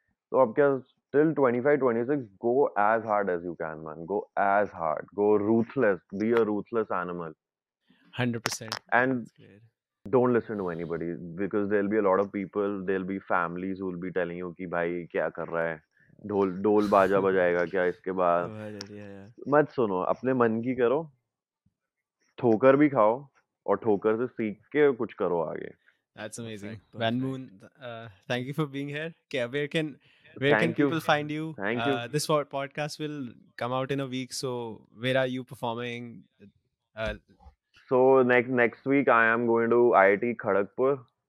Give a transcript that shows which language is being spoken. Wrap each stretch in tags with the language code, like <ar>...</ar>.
<en>So, aapka till 25, 26, go as hard as you can, man. Go as hard. Go ruthless. Be a ruthless animal. 100%. And don't listen to anybody, because there'll be a lot of people, there'll be families who'll be telling you, ki</en> <hi>bhai, kya kar raha hai? ढोल बाजा बजाएगा क्या इसके बाद? मत सुनो, अपने मन की करो, ठोकर भी खाओ और ठोकर से सीख के कुछ करो आगे.</hi> <en>That's amazing. Van Moon, thank you for being here. Okay, where can people find you? Thank you. This podcast will come out in a week. So where are you performing? So next week I am going to IIT Kharagpur.</en>